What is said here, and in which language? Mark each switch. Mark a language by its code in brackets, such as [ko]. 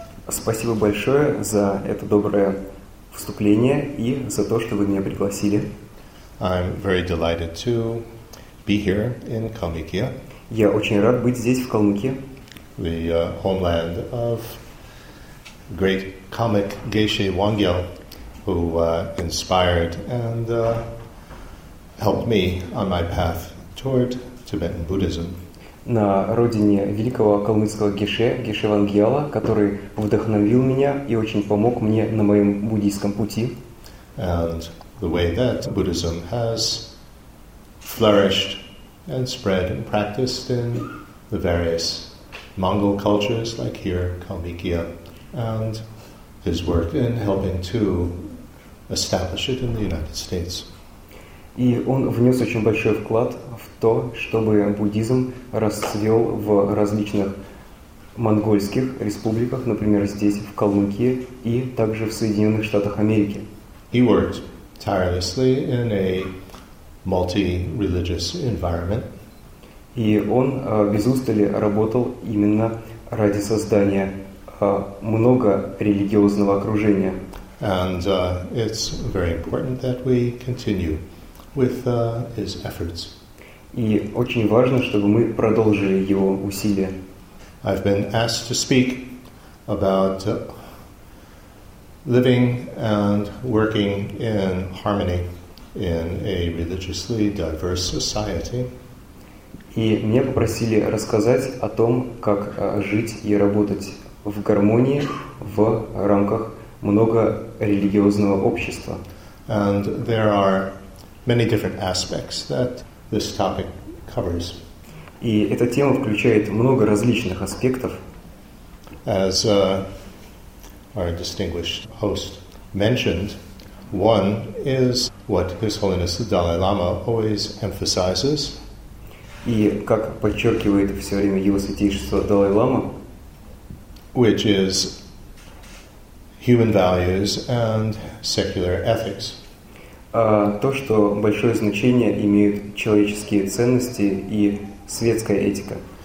[ru] Спасибо большое за это доброе вступление и за то, что вы меня пригласили. [en] I'm very delighted to be here in Калмыкия. [ru] Я очень рад быть здесь, в Калмыкии. [en] The homeland of great comic Geshe Wangyal, who inspired and helped me on my path toward Tibetan Buddhism. [ru] На родине великого калмыцкого Геше Вангьяла, который вдохновил меня и очень помог мне на моем буддийском пути. [en] And the way that Buddhism has flourished and spread and practiced in the various Mongol cultures, like here, Калмыкия, and his work in helping to establish it in the United States. [ru] И он внес очень большой вклад в то, чтобы буддизм расцвел в различных монгольских республиках, например, здесь, в Калмыкии, и также в Соединенных Штатах Америки. [en] He worked tirelessly in a multi-religious environment. [ru] И он без устали работал именно ради создания многорелигиозного окружения. [en] And it's very important that we continue with his efforts. [ru] И очень важно, чтобы мы продолжили его усилия. [en] I've been asked to speak about living and working in harmony in a religiously diverse society. [ru] И меня попросили рассказать о том, как жить и работать в гармонии в рамках многорелигиозного общества. [en] And there are many different aspects that this topic covers. [ru] И эта тема включает много различных аспектов. [en] As our distinguished host mentioned, one is what His Holiness the Dalai Lama always emphasizes. [ru] И как подчеркивает все время Его Святейшество Далай Лама, [en] which is human values and secular ethics. [ru] То, что большое значение имеют человеческие ценности и светская этика.